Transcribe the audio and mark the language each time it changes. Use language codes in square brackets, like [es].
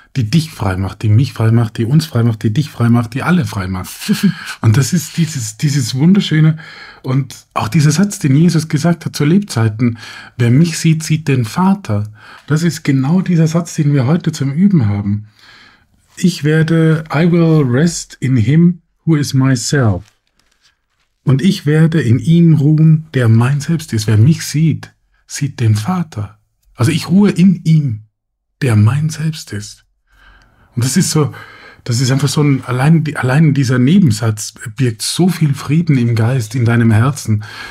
[de] die dich frei macht, die mich frei macht, die uns frei macht, die dich frei macht, die alle frei macht. Und das ist dieses Wunderschöne. Und auch dieser Satz, den Jesus gesagt hat zu Lebzeiten, wer mich sieht, sieht den Vater. Das ist genau dieser Satz, den wir heute zum Üben haben. [en] I will rest in him who is myself. [de] Und ich werde in ihm ruhen, der mein Selbst ist. Wer mich sieht, sieht den Vater. Also ich ruhe in ihm, der mein Selbst ist. Und das ist so, das ist einfach so ein, allein dieser Nebensatz birgt so viel Frieden im Geist, in deinem Herzen.